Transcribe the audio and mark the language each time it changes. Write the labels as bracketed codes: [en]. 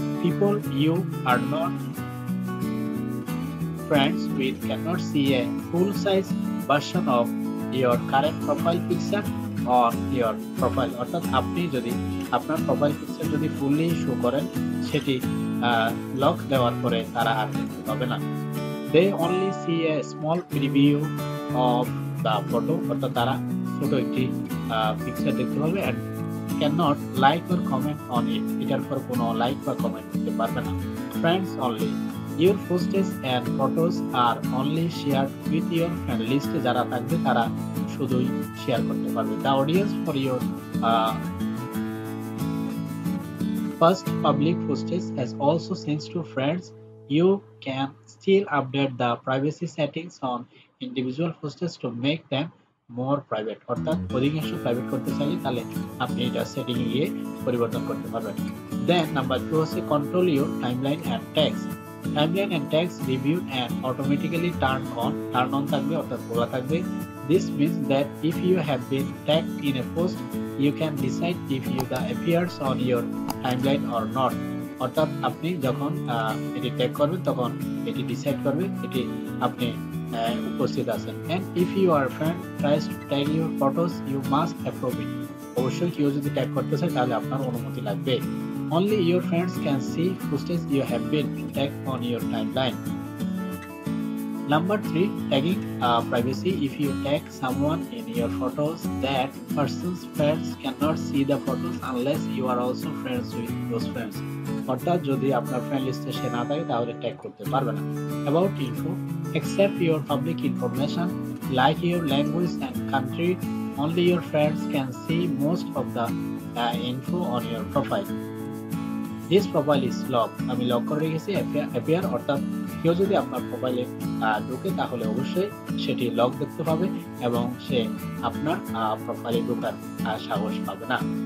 [en] people you are not friends with can not see a full size version of your current profile picture or your profile, [bn] অর্থাৎ আপনি যদি আপনার profile picture যদি fully show করেন সেটি lock দেওয়ার পরে তারা আর দেখতে পাবে না। [en] they only see a small preview of the photo, [bn] অর্থাৎ তারা ছোট একটি পিকচার দেখতে পাবে [en] And cannot like or comment on it. [bn] এটার পর কোনো লাইক বা কমেন্ট দিতে পারবে না. [en] Friends only. Your posts and photos are only shared with your friend list. [bn] যারা থাকবে তারা শুধুই শেয়ার করতে পারবে. [en] The audience for your first public posts has also sent to friends. You can still update the privacy settings on individual posts to make them more private. [bn] অর্থাৎ অধিকাংশ private করতে চাইলে তাহলে আপনি এটা সেটিং এ পরিবর্তন করতে পারবেন. [en] Then number two হচ্ছে control your timeline and tags. Timeline and tags review and automatically turn on থাকবে, [bn] অর্থাৎ খোলা থাকবে. [en] This means that if you have been tagged in a post you can decide if you the appears on your timeline or not. [bn] অর্থাৎ আপনি যখন এটি tag করবেন তখন এটি ডিসাইড করবে এটি আপনি উপস্থিত আছেন. [en] And if your friend tries to tag your photos, you must approve it. [bn] অবশ্যই কেউ যদি ট্যাগ করতে চায় তাহলে আপনার অনুমতি লাগবে. [en] Only your friends can see posts you have been tagged on your timeline. Number 3, tagging privacy. If you tag someone in your photos, that person's friends cannot see the photos unless you are also friends with those friends. [bn] অর্থাৎ যদি আপনার friend লিস্টে সে না থাকে তাহলে tag করতে পারবে না. [en] About info, except your public information like your language and country. Only your friends can see most of the info on your profile. This profile is lock. [bn] আমি লক করে রেখেছি অ্যাপিয়ার, অর্থাৎ কেউ যদি আপনার প্রোফাইলে ঢুকে তাহলে অবশ্যই সেটি লক দেখতে পাবে এবং সে আপনার প্রোফাইলে ঢোকার সাহস পাবে না.